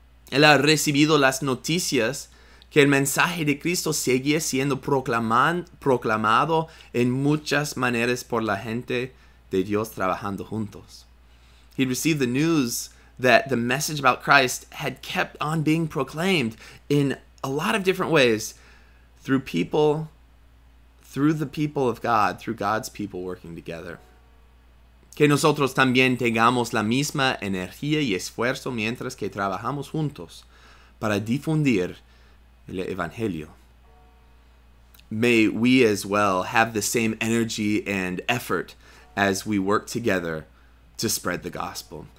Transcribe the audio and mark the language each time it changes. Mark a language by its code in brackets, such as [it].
[es] Él ha recibido las noticias que el mensaje de Cristo sigue siendo proclamado en muchas maneras por la gente de Dios trabajando juntos. [en] He received the news that the message about Christ had kept on being proclaimed in a lot of different ways through the people of God, through God's people working together. [es] Que nosotros también tengamos la misma energía y esfuerzo mientras que trabajamos juntos para difundir el evangelio. [en] May we as well have the same energy and effort as we work together to spread the gospel.